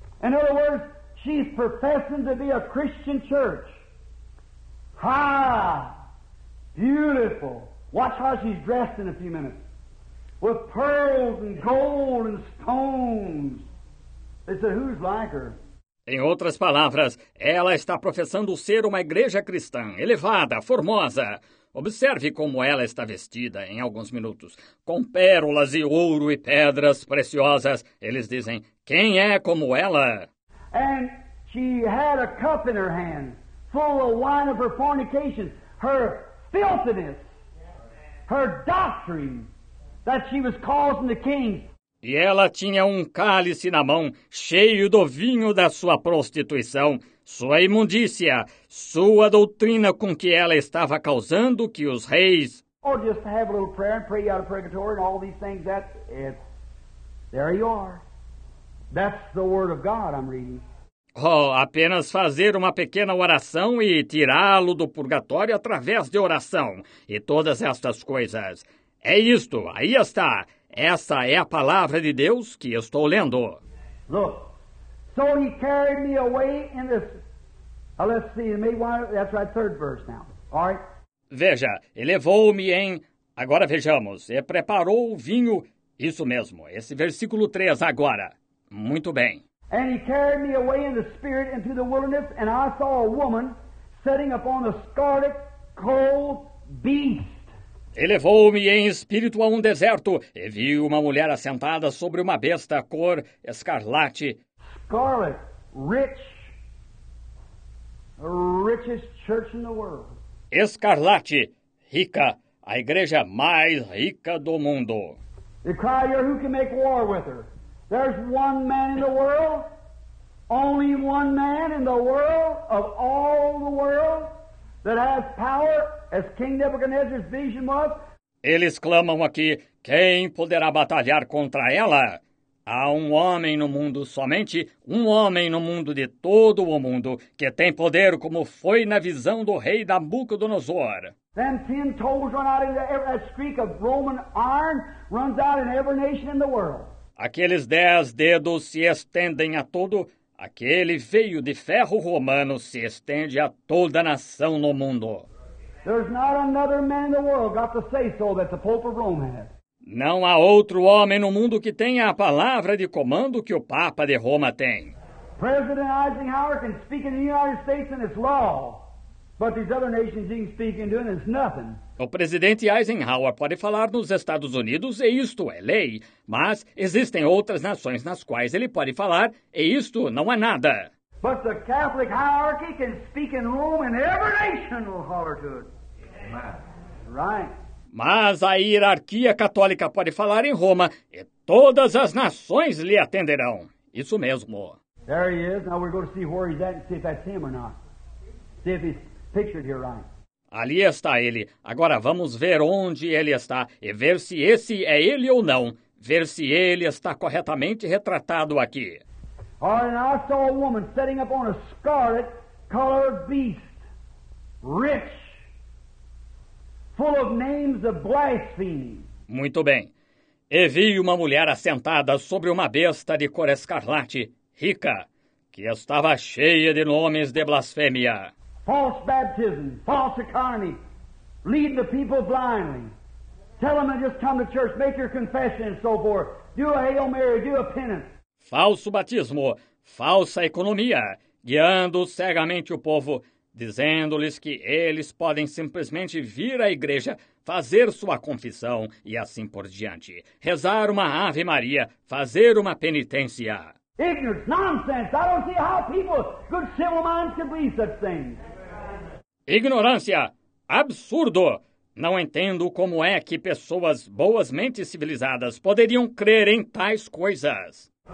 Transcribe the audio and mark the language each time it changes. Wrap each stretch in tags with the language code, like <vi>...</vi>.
<en>In other words, she's professing to be a Christian church. Ha! Beautiful! Watch how she's dressed in a few minutes. With pearls and gold and stones. They said, who's like her?</en> <pt>Em outras palavras, ela está professando ser uma igreja cristã, elevada, formosa. Observe como ela está vestida em alguns minutos. Com pérolas e ouro e pedras preciosas. Eles dizem, quem é como ela?</pt> <en>And she had a cup in her hand, full of wine of her fornication, her filthiness. Her doctrine that she was causing the king.</en> <pt>E ela tinha um cálice na mão, cheio do vinho da sua prostituição, sua imundícia, sua doutrina com que ela estava causando que os reis.</pt> <en>Or just have a little prayer and pray out of purgatory and all these things. There you are. That's the word of God I'm reading.</en> <pt>Oh, apenas fazer uma pequena oração e tirá-lo do purgatório através de oração e todas estas coisas. É isto, aí está. Essa é a palavra de Deus que estou lendo.</pt> <en>Look, so he carried me away in this. Let's see, maybe one. That's right, third verse now. All right.</en> <pt>Veja, ele levou-me em. Agora vejamos. E preparou o vinho. Isso mesmo. Esse versículo 3 agora. Muito bem.</pt> <en>And he carried me away in the spirit into the wilderness, and I saw a woman sitting upon a scarlet, cold beast.</en> <pt>E levou-me em espírito a um deserto, e vi uma mulher assentada sobre uma besta cor escarlate.</pt> <en>Scarlet, rich, the richest church in the world.</en> <pt>Escarlate, rica, a igreja mais rica do mundo.</pt> <en>They cry, you're who can make war with her. There's one man in the world, only one man in the world, of all the world, that has power, as King Nebuchadnezzar's vision was.</en> <pt>Eles clamam aqui, quem poderá batalhar contra ela? Há um homem no mundo, somente um homem no mundo de todo o mundo, que tem poder como foi na visão do rei Nabucodonosor.</pt> <en>Then 10 toes run out into every, a streak of Roman iron runs out in every nation in the world.</en> <pt>Aqueles 10 dedos se estendem a todo, aquele veio de ferro romano se estende a toda nação no mundo.</pt> <en>There's not another man in the world got to say so that the Pope of Rome has.</en> <pt>Não há outro homem no mundo que tenha a palavra de comando que o Papa de Roma tem.</pt> <en>President Eisenhower can speak in the United States and it's law. But these other nations he can speak into and it's nothing.</en> <pt>O presidente Eisenhower pode falar nos Estados Unidos e isto é lei, mas existem outras nações nas quais ele pode falar e isto não é nada.</pt> <en>But the Catholic hierarchy can speak in Rome and every nation will holler to it. Right.</en> <pt>Mas a hierarquia católica pode falar em Roma e todas as nações lhe atenderão. Isso mesmo.</pt> <en>There he is. Now we're going to see where he's at and see if that's him or not. See if he's pictured here, right.</en> <pt>Ali está ele. Agora vamos ver onde ele está e ver se esse é ele ou não. Ver se ele está corretamente retratado aqui.</pt> <en>All right, now I saw a woman sitting up on a scarlet colored beast, rich. Full of names of blasphemy.</en> <pt>Muito bem. E vi uma mulher assentada sobre uma besta de cor escarlate, rica, que estava cheia de nomes de blasfêmia.</pt> <en>False baptism, false economy, lead the people blindly. Tell them to just come to church, make your confession and so forth. Do a Hail Mary, do a penance.</en> <pt>Falso batismo, falsa economia, guiando cegamente o povo, dizendo-lhes que eles podem simplesmente vir à igreja, fazer sua confissão e assim por diante. Rezar uma Ave Maria, fazer uma penitência.</pt> <en>Ignorance, nonsense. I don't see how people, good civil minds, can believe such things.</en> <pt>Ignorância, absurdo. Não entendo como é que pessoas boas mentes civilizadas poderiam crer em tais coisas.</pt>